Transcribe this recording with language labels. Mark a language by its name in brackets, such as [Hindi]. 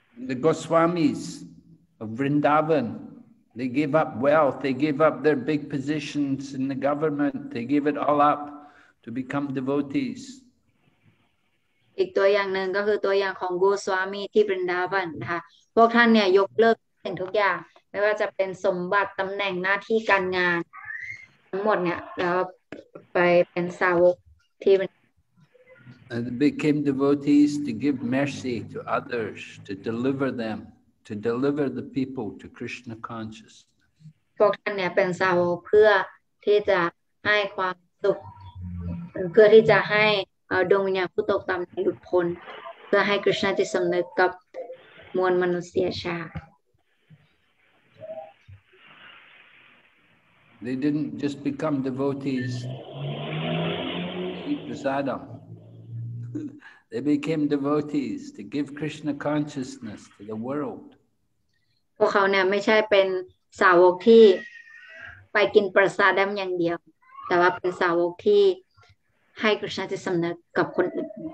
[English] The Goswamis of Vrindavan, they gave up wealth, they gave up their big positions in the government, they gave it all up to become devotees. [Thai] อีกตัวอย่างหนึ่งก็คือตัวอย่างของ Goswami ที่ Vrindavan นะคะพวกท่านเนี่ยยกเลิกทุกอย่างไม่ว่าจะเป็นสมบัติตำแหน่งหน้าที่การงานทั้งหมดเนี่ยแล้วไปเป็นสาวกที่ [English] And they became devotees to give mercy to others, to deliver them, to deliver the people to Krishna consciousness. [Thai] พวกท่านเนี่ยเป็นสาวกเพื่อที่จะให้ความสุขเพื่อที่จะให้ดวงวิญญาณผู้ตกต่ำหลุดพ้นเพื่อให้ Krishna ที่สำนึกกับมวลมนุษยชาติ [English] They didn't just become devotees to Sadam. They became devotees to give Krishna consciousness to the world. [Thai] พวกเขาเนี่ยไม่ใช่เป็นสาวกที่ไปกินประสาทแดมอย่างเดียวแต่ว่าเป็นสาวกที่ให้ Krishna ที่สำนึกกับคนอื่น